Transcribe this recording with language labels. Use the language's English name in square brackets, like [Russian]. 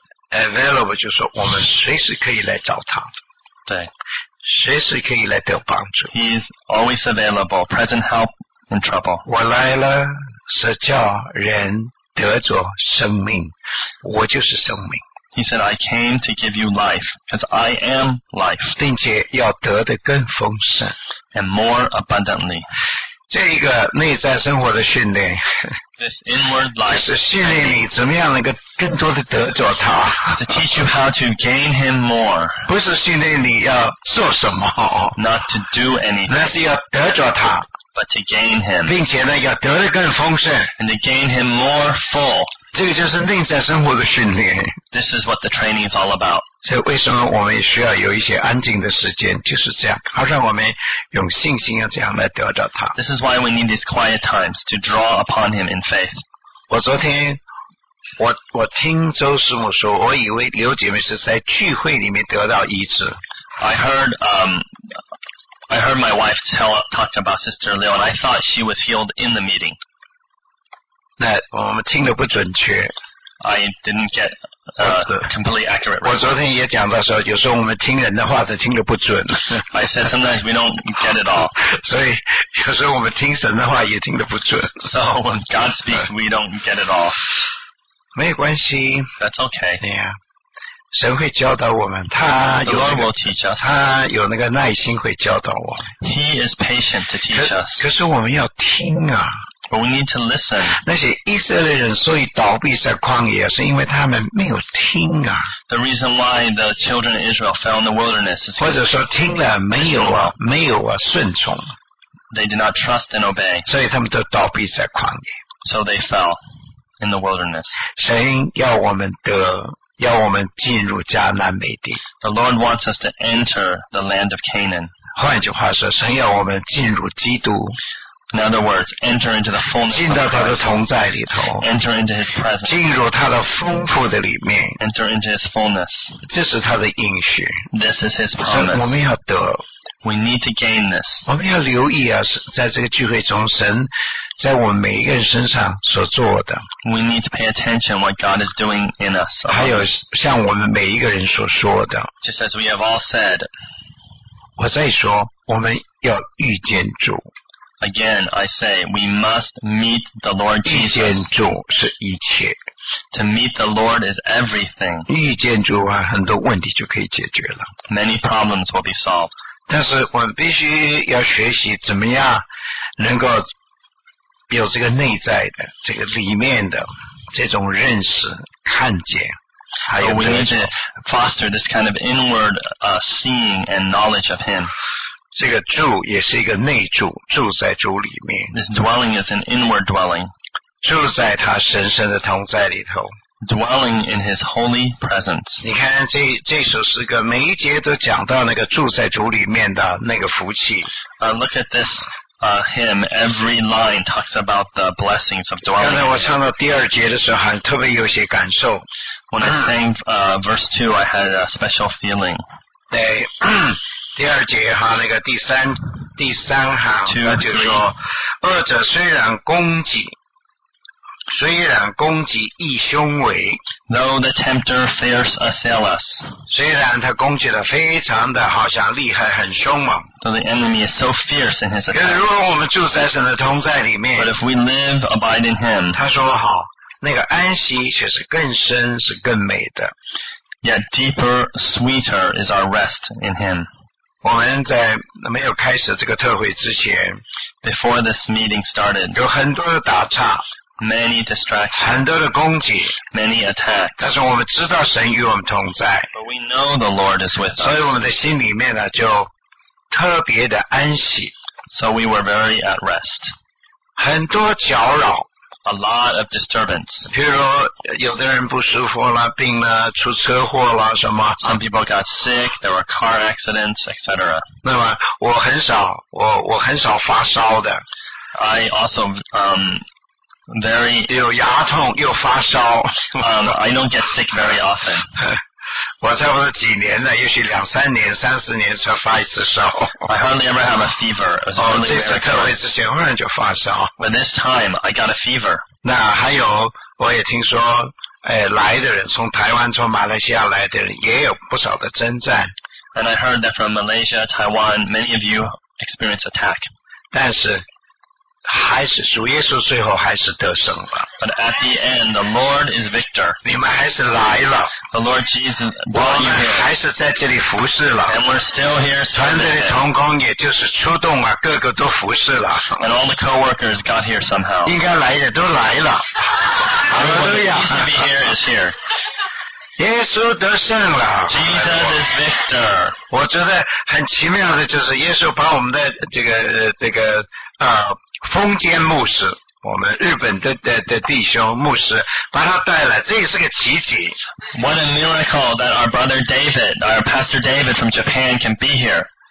[Chinese] available 就是说我们随时可以来找他对随时可以来得帮助 [English] He is always available present help in trouble [Chinese] 我来了是叫人得着生命我就是生命 [English] He said I came to give you life because I am life [Chinese] 并且要得的更丰盛 [English] and more abundantly [Chinese] 这一个内在生活的训练 [English] This inward life. [Chinese] 就是训练你怎么样能够更多的得着他。 [English] To teach you how to gain him more. [Chinese] 不是训练你要做什么。 [English] Not to do anything. [Chinese] 那是要得着他。 [English] But to gain him. [Chinese] 并且呢要得的更丰盛。 [English] And to gain him more full. [Chinese] 这个就是内在生活的训练。 [English] This is what the training is all about. [Chinese] 所以为什么我们需要有一些安静的时间就是这样。好让我们用信心要这样来得到他。 [English] This is why we need these quiet times to draw upon him in faith. [Chinese] 我昨天我听周师母说我以为刘姐妹是在聚会里面得到医治。 [English] I heard my wife talk about Sister Liu and I thought she was healed in the meeting. [Chinese] 那我们听得不准确。 [English] I didn't get completely accurate.、 Right. [Chinese] 我昨天也讲到说，有时候我们听人的话都听得不准。 [English] I said sometimes we don't get it all. [Chinese] 所以有时候我们听神的话也听得不准。 [English] So when God speaks, we don't get it all. [Chinese] 没有关系。 [English] That's okay. Yeah. [Chinese] 神会教导我们，他有、 [English] The Lord will teach us. [Chinese] 他有那个耐心会教导我。 [English] He is patient to teach us. [Chinese] 可是我们要听啊。 [English] But we need to listen. [Chinese] 那些以色列人所以倒闭在旷野，是因为他们没有听啊。 [English] The reason why the children of Israel fell in the wilderness is [Chinese] 或者说听了没有啊顺从。 [English] They did not trust and obey. [Chinese] 所以他们都倒闭在旷野。 [English] So they fell in the wilderness. [Chinese] 神要我们得要我们进入迦南美地。 [English] The Lord wants us to enter the land of Canaan. [Chinese] 换句话说，神要我们进入基督。 [English] In other words, enter into the fullness. [Chinese] 进到他的同在里头。 [English] Enter into His presence. [Chinese] 进入他的丰富的里面。 [English] Enter into His fullness. [Chinese] 这是他的应许。 [English] This is His promise. [Chinese] 我们要得。 [English] We need to gain this. [Chinese] 我们要留意啊，在这个聚会中，神在我们每一个人身上所做的。 [English] We need to pay attention what God is doing in us. [Chinese] 还有像我们每一个人所说的。 [English] Just as we have all said. [Chinese] 我再说，我们要遇见主。 [English] Again, I say, we must meet the Lord Jesus. [Chinese] 遇见主是一切。 [English] To meet the Lord is everything. [Chinese] 遇见主啊，很多问题就可以解决了。 [English] Many problems will be solved. [Chinese] 但是我们必须要学习怎么样能够有这个内在的这个里面的这种认识看见还有这种 [English] foster this kind of inward seeing and knowledge of him [Chinese] 这个住也是一个内住住在主里面 [English] this dwelling is an inward dwelling [Chinese] 住在他神圣的同在里头 [English] Dwelling in His holy presence. [Chinese] 你看这首诗歌，每一节都讲到那个住在主里面的那个福气。 [English] Look at this hymn. Every line talks about the blessings of dwelling. [Chinese] 刚才我唱到第二节的时候，还特别有些感受。 [English] When I sang verse 2, I had a special feeling. [Chinese] 对，第二节哈，那个第三行，那就是说，恶者虽然攻击。虽然攻击义凶为 [English] Though the tempter fears assail us [Chinese] 虽然他攻击得非常的好像厉害很凶猛 [English] Though the enemy is so fierce in his attack [Chinese] 如果我们住在神的同在里面 [English] But if we live abide in him [Chinese] 他说好那个安息却是更深是更美的 [English] Yet deeper sweeter is our rest in him [Chinese] 我们在没有开始这个特会之前 [English] Before this meeting started [Chinese] 有很多的打岔 [English] Many distractions, [Chinese] 很多的攻击 [English] many attacks, [Chinese] 但是我们知道神与我们同在 [English] but we know the Lord is with us, [Chinese] 所以我们的心里面呢就特别的安息 [English] so we were very at rest, [Chinese] 很多搅扰 [English] a lot of disturbance, [Chinese] 譬如有的人不舒服了病了出车祸了什么 [English] some people got sick, there were car accidents, etc. [Chinese] 那么我很少发烧的 [English] I also, Very, [Chinese] 又牙痛又发烧。 [English] I don't get sick very often. [Chinese] 我差不多几年了，也许两三年、三四年才发一次烧。 [English] I hardly ever have a fever. [Chinese] 这次特会之前忽然就发烧。 [English] But this time I got a fever. [Chinese] 那还有，我也听说，来的人从台湾、从马来西亚来的人也有不少的征战。 [English] And I heard that from Malaysia, Taiwan, many of you experience attack. [Chinese] 但是。还是主耶稣最后还是得胜了。 [English] But at the end, the Lord is victor. [Chinese] 你们还是来了。 [English] The Lord Jesus, [Chinese] 我们还是在这里服侍了。 [English] And we're still here somehow. [Chinese] 团队的同工也就是出动啊，个个都服侍了。 [English] And all the co-workers got here somehow. [Chinese] 应该来的都来了。 [English] Hallelujah. To be here is here. [Chinese] 耶稣得胜了。 [English] Jesus is victor. [Chinese] 我觉得很奇妙的就是耶稣把我们的这个封建牧师我们日本 的弟兄牧师把他带来这也是个奇迹 [English] What a miracle that our brother David our pastor David from Japan can be here